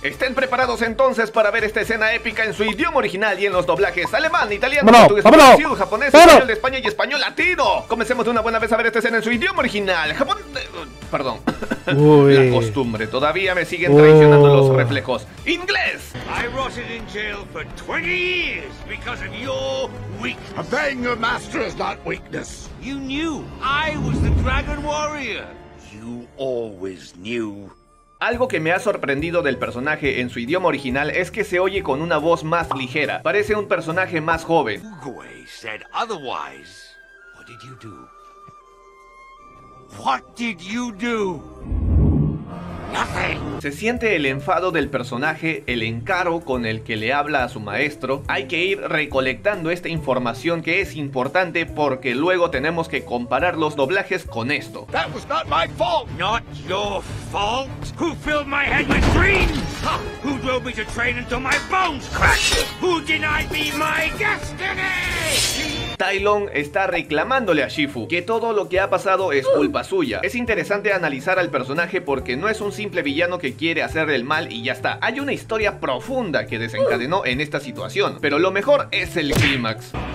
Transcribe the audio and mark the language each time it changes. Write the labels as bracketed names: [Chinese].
[Spanish] Estén preparados entonces para ver esta escena épica en su idioma original y en los doblajes alemán, italiano, portugués, francés, japonés, español de España y español latino. Comencemos de una buena vez a ver esta escena en su idioma original. Japón... perdón. Uy. La costumbre, todavía me siguen traicionando los reflejos. ¡Inglés! [English] I rotted in jail for 20 years because of your weakness. Obeying your master is not weakness. You knew I was the Dragon Warrior. You always knew. [Spanish] Algo que me ha sorprendido del personaje en su idioma original es que se oye con una voz más ligera. Parece un personaje más joven. [English] Uguay said otherwise. What did you do? What did you do? [Spanish] Se siente el enfado del personaje, el encaro con el que le habla a su maestro. Hay que ir recolectando esta información que es importante porque luego tenemos que comparar los doblajes con esto. [English] That was not my fault. Not your fault. Who filled my head with dreams? Who drove me to train until my bones cracked? Who denied me my destiny? [Spanish] Tai Long está reclamándole a Shifu que todo lo que ha pasado es culpa suya. Es interesante analizar al personaje porque no es un simple villano que quiere hacer el mal y ya está. Hay una historia profunda que desencadenó en esta situación, pero lo mejor es el clímax.